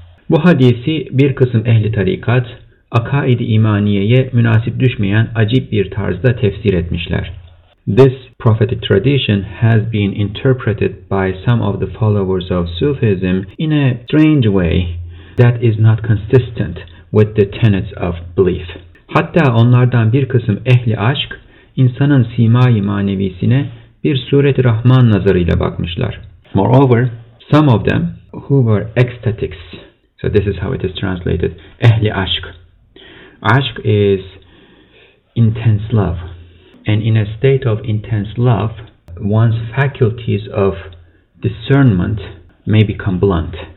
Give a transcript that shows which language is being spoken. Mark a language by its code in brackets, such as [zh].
[tr] Bu hadisi bir kısım ehli tarikat, akaid-i imaniyeye münasip düşmeyen acip bir tarzda tefsir etmişler. [en] This prophetic tradition has been interpreted by some of the followers of Sufism in a strange way that is not consistent with the tenets of belief. [tr] Hatta onlardan bir kısım ehli aşk, insanın sima-i manevisine bir suret-i rahman nazarıyla bakmışlar. [en] Moreover, some of them who were ecstatics, so this is how it is translated, ehli aşk. Aşk is intense love. And in a state of intense love, one's faculties of discernment may become blunt.